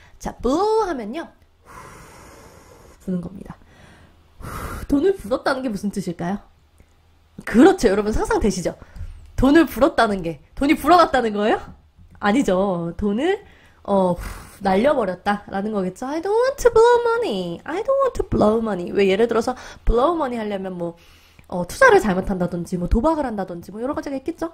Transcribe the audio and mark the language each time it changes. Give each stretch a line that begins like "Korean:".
Korean: 자, blow 하면요. 부는 겁니다. 돈을 불었다는 게 무슨 뜻일까요? 그렇죠. 여러분 상상되시죠? 돈을 불었다는 게, 돈이 불어났다는 거예요? 아니죠. 돈을, 날려버렸다라는 거겠죠.
English: I don't want to blow money. I don't want to blow money.
Korean: 왜 예를 들어서, blow money 하려면 뭐, 투자를 잘못한다든지, 뭐, 도박을 한다든지, 뭐, 여러 가지가 있겠죠?